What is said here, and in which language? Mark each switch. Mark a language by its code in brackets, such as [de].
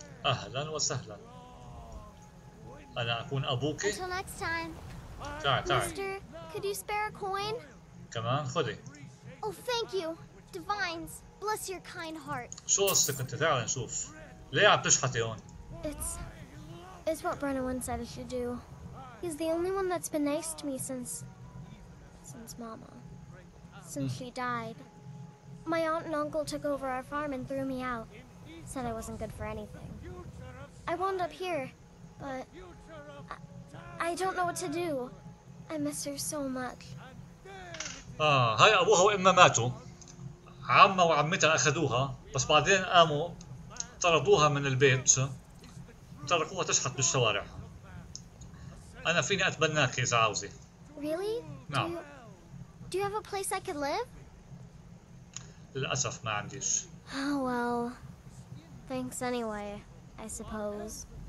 [ar] اهلا وسهلا انا اكون ابوك. [en] Until next time. [ar] تعال تعال. [en] Mister, could you spare a coin? [ar] كمان خذي. [en] Oh thank you. Divines, bless your kind heart. [ar] شو قصتك انت؟ تعال نشوف. ليه عم تشحتي هون؟ [en] It's what Brennan said I should do. He's the only one that's been nice to me since mama. Since she died. My aunt and uncle took over our farm and threw me out. Said I wasn't good for anything. I wound up here, but I don't know what to do. I miss her so much. [ar] هاي أبوها وإمها ماتوا. عمها وعمتها أخذوها، بس بعدين قاموا طردوها من البيت، تركوها تشحت بالشوارع. أنا فيني أتبناك إذا عاوزي. [en] Really? [ar] نعم. [en] Do you have a place I could live? [ar] للأسف ما عنديش. [en] Oh well. Thanks anyway, I suppose.